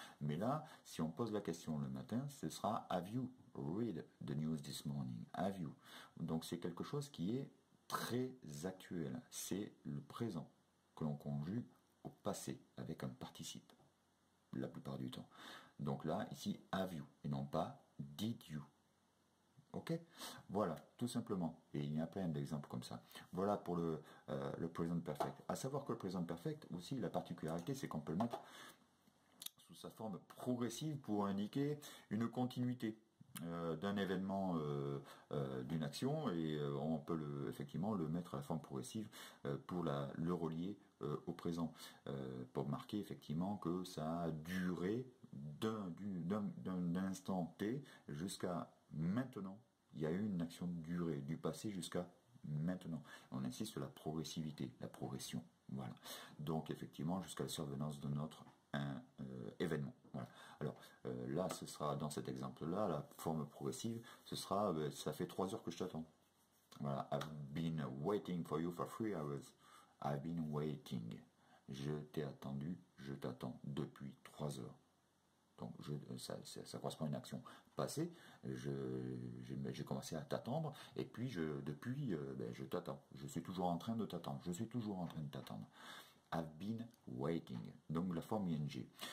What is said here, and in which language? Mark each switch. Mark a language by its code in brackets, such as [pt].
[fr] Mais là, si on pose la question le matin, ce sera [en] Have you read the news this morning? Have you? [fr] Donc, c'est quelque chose qui est très actuel, c'est le présent que l'on conjugue au passé avec un participe la plupart du temps. Donc là, ici, [en] have you [fr] et non pas [en] did you. [fr] Ok? Voilà, tout simplement. Et il y a plein d'exemples comme ça. Voilà pour le present perfect. À savoir que le present perfect aussi, la particularité, c'est qu'on peut le mettre sous sa forme progressive pour indiquer une continuité. D'un événement, d'une action, et on peut effectivement le mettre à la forme progressive pour le relier au présent, pour marquer effectivement que ça a duré d'un instant T jusqu'à maintenant. Il y a eu une action de durée, du passé jusqu'à maintenant. On insiste sur la progressivité, la progression. Voilà. Donc effectivement, jusqu'à la survenance de notre événement. Voilà. Alors là, ce sera dans cet exemple-là, la forme progressive, ce sera, ça fait 3 heures que je t'attends. Voilà, [en] I've been waiting for you for 3 hours. I've been waiting. [fr] Je t'ai attendu, je t'attends depuis 3 heures. Donc ça correspond à une action passée. J'ai commencé à t'attendre et puis je t'attends. Je suis toujours en train de t'attendre. Je suis toujours en train de t'attendre. [en] I've been waiting. [fr] Donc la forme ing.